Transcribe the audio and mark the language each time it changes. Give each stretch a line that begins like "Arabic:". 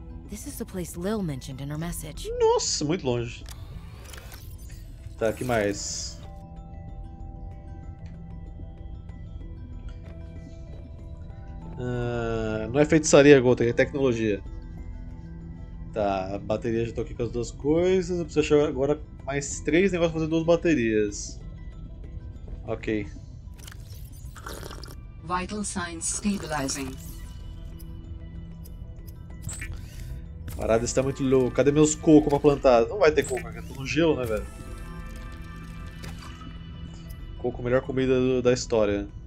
English: This is the place Lil mentioned in her message.
Portuguese: Nossa, muito longe. Tá, que mais? Não é feitiçaria, Gota, é tecnologia. Tá, a bateria já tô aqui com as duas coisas. Eu preciso achar agora mais três negócios pra fazer duas baterias. Ok.
English: Vital signs stabilizing.
Portuguese: A parada está muito louca. Cadê meus cocos pra plantar? Não vai ter coco aqui, eu tô no gelo, né, velho? Coco, melhor comida da história.